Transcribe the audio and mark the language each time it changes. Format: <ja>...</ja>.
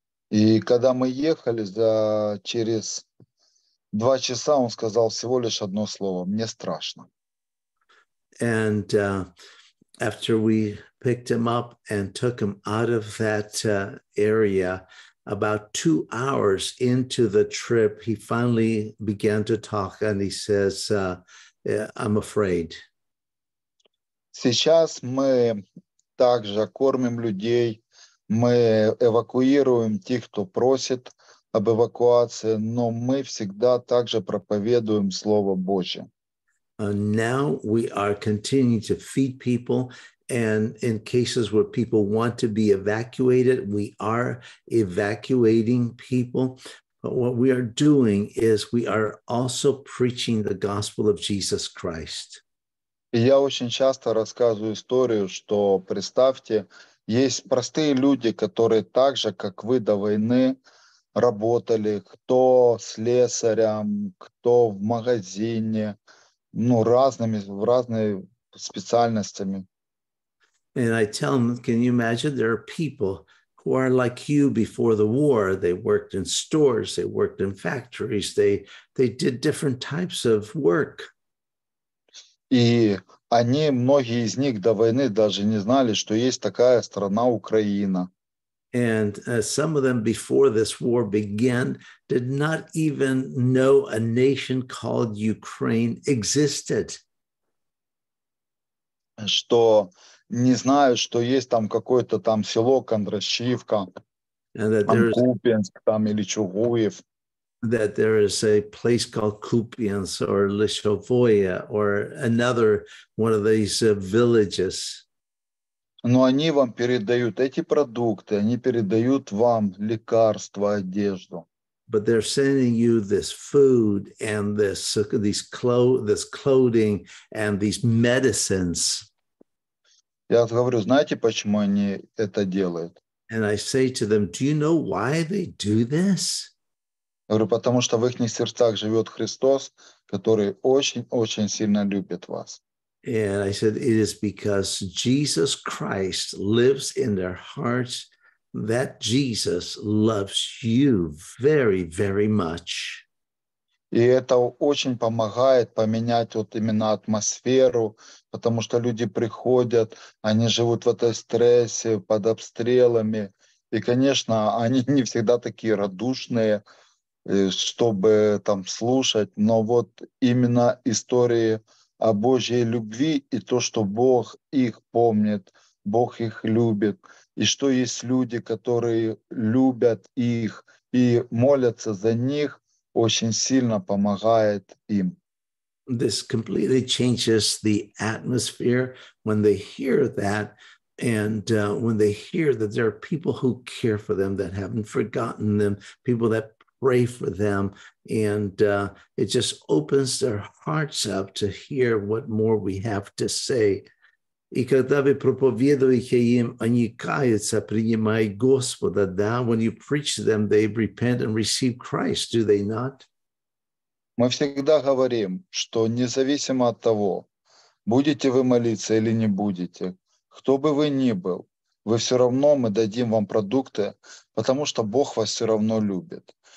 <ru>И когда мы ехали, за через 2 часа он сказал всего лишь одно слово: мне страшно.</ru> <en>And after we picked him up and took him out of that area, about 2 hours into the trip, he finally began to talk and he says, I'm afraid.</en> <ru>Сейчас мы также кормим людей, мы эвакуируем тех, кто просит об эвакуации, но мы всегда также проповедуем Слово Божие.</ru> <en>Now we are continuing to feed people, and in cases where people want to be evacuated, we are evacuating people. But what we are doing is we are also preaching the gospel of Jesus Christ.</en> <ru>Я очень часто рассказываю историю, что представьте, есть простые люди, которые так же, как вы, до войны работали, кто слесарем, кто в магазине, ну, разными, в разные специальностями.</ru> <en>And I tell them, can you imagine, there are people who are like you before the war. They worked in stores, they worked in factories, they did different types of work.</en> <ru>И они, многие из них до войны даже не знали, что есть такая страна Украина.</ru> <en>And some of them before this war began did not even know a nation called Ukraine existed.</en> <ru>Что не знают, что есть там какое-то там село Кондрашивка, Купинск там или Чугуев.</ru> <en>That there is a place called Kupiansk or Lishovoya or another one of these villages.</en> <ru>Но они вам передают эти продукты, они передают вам лекарства, одежду.</ru> <en>But they're sending you this food and this clothing and these medicines.</en> <ru>Я говорю, знаете, почему они это делают?</ru> <en>And I say to them, do you know why they do this?</en> <ru>Я говорю, потому что в их сердцах живет Христос, который очень-очень сильно любит вас.</ru> <en>And I said, it is because Jesus Christ lives in their hearts, that Jesus loves you very, very much.</en> <ru>И это очень помогает поменять вот именно атмосферу, потому что люди приходят, они живут в этой стрессе, под обстрелами. И, конечно, они не всегда такие радушные, чтобы там слушать. Но вот именно истории о Божьей любви и то, что Бог их помнит, Бог их любит. И что есть люди, которые любят их и молятся за них, очень сильно помогает им.</ru> <en>This completely changes the atmosphere when they hear that, and when they hear that there are people who care for them, that haven't forgotten them, people that pray for them, and it just opens their hearts up to hear what more we have to say.</en> <uk>І коли ви проповідуєте їм, вони каються, приймають Господа.</uk> <en>Now, when you preach to them, they repent and receive Christ, do they not?</en> <uk>Ми завжди говоримо, що независимо від того, будете ви молитися чи не будете, хто би ви не був, ви все одно, ми дадим вам продукти, тому що Бог вас все одно любить.</uk>